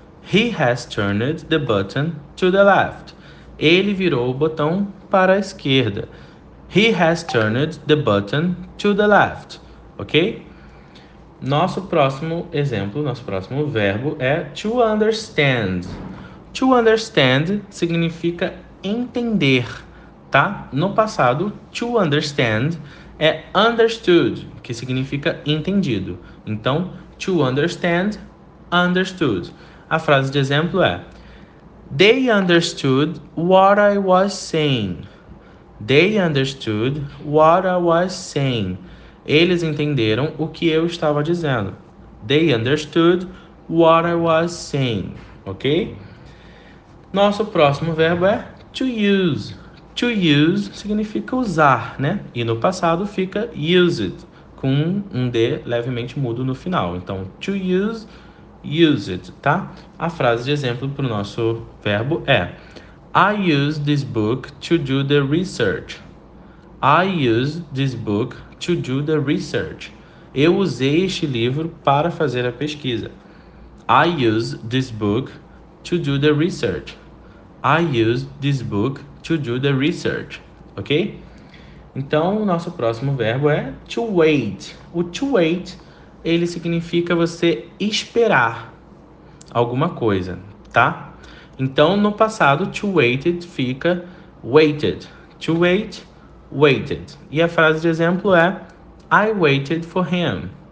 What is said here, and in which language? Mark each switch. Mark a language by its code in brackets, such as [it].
[en] He has turned the button to the left. [pt] Ele virou o botão para a esquerda. [en] He has turned the button to the left. Ok? [pt] Nosso próximo exemplo, nosso próximo verbo é to understand. To understand significa entender, tá? No passado, to understand é understood, que significa entendido. Então, to understand, understood. A frase de exemplo é: [en] They understood what I was saying. They understood what I was saying. [pt] Eles entenderam o que eu estava dizendo. [en] They understood what I was saying, ok? [pt] Nosso próximo verbo é [en] to use. [pt] To use significa usar, né? E no passado fica used, com um D levemente mudo no final. Então, to use, use it, tá? A frase de exemplo para o nosso verbo é [en] I use this book to do the research. I use this book to do the research. [pt] Eu usei este livro para fazer a pesquisa. [en] I use this book to do the research. I use this book to do the research. Ok? [pt] Então, o nosso próximo verbo é to wait. O to wait, ele significa você esperar alguma coisa, tá? Então, no passado, to waited fica waited. To wait, waited. E a frase de exemplo é [en] I waited for him.